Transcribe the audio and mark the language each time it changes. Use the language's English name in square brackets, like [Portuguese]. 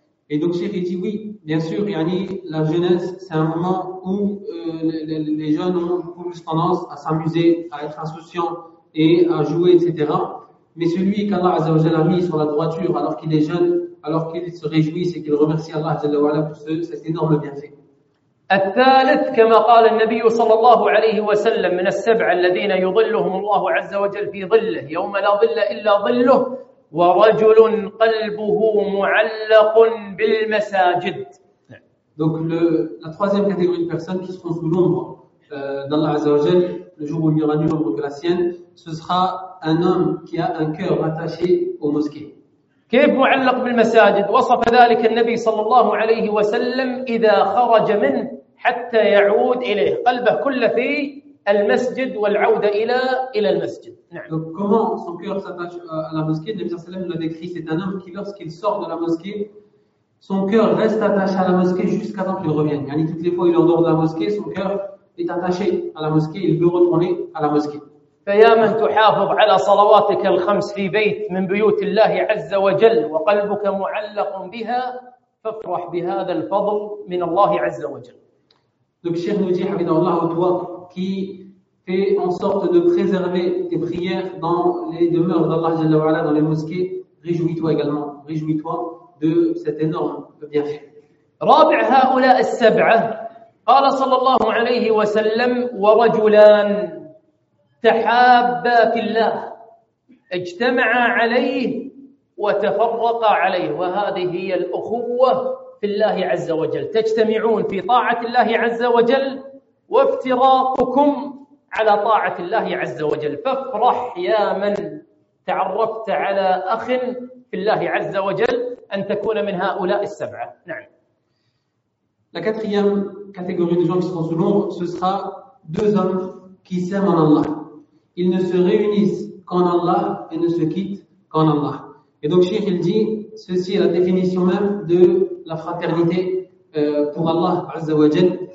[French] Et donc, Cheikh dit oui, bien sûr, la jeunesse, c'est un moment où les jeunes ont plus tendance à s'amuser, à être insouciant et à jouer, etc. Mais celui qu'Allah [Arabic] Azza wa Jalla [French] a mis sur la droiture alors qu'il est jeune, alors qu'il se réjouit, c'est qu'il remercie Allah Azza wa Jalla pour cet énorme bienfait. [Arabic] الثالث كما قال النبي صلى الله عليه وسلم من السبع الذين يظلهم الله عز وجل في ظله يوم لا ظل إلا ظله. ورجل قلبه معلق بالمساجد. [French] Donc la troisième catégorie de personnes qui seront sous l'ombre d'Allah [Arabic] Azza wa Jal [French] le jour où il n'y aura nulle ombre que la sienne, ce sera un homme qui a un cœur attaché aux mosquées. [Arabic] كيف معلق بالمساجد وصف ذلك النبي صلى الله عليه وسلم إذا خرج منه حتى يعود إليه قلبه كله في المسجد والعودة إلى المسجد. [French] Donc comment son cœur s'attache à la mosquée, le Prophète l'a décrit, c'est un homme qui lorsqu'il sort de la mosquée, son cœur reste attaché à la mosquée jusqu'à temps qu'il revienne. Yani toutes les fois il est en dehors de la mosquée, son cœur est attaché à la mosquée, il veut retourner à la mosquée. [Arabic] فيا من تحافظ على صلواتك الخمس في بيت من بيوت الله عز وجل وقلبك معلق بها فافرح بهذا الفضل من الله عز وجل. [French] Donc Cheikh nous dit, [Arabic] حفظه الله وتوفى, [French] qui fait en sorte de préserver tes prières dans les demeures d'Allah [Arabic] Jalla wa Ala [French] dans les mosquées, réjouis-toi également, réjouis-toi de cet énorme bienfait. [Arabic] رابع هؤلاء السبعة قال صلى الله عليه وسلم ورجلان تحابا في الله اجتمعا عليه وتفرقا عليه وهذه هي الأخوة في الله عز وجل تجتمعون في طاعة الله عز وجل وافتراقكم على طاعة الله عز وجل فافرح يا من تعرفت على أخ في الله عز وجل أن تكون من هؤلاء السبعة. نعم. [French] La quatrième catégorie de gens qui seront selon nombre, ce sera deux hommes qui s'aiment en Allah. Ils ne se réunissent qu'en Allah et ne se quittent qu'en Allah. Et donc, Cheikh, il dit, ceci est la définition même de la fraternité pour Allah, [Arabic] Azza wa Jal.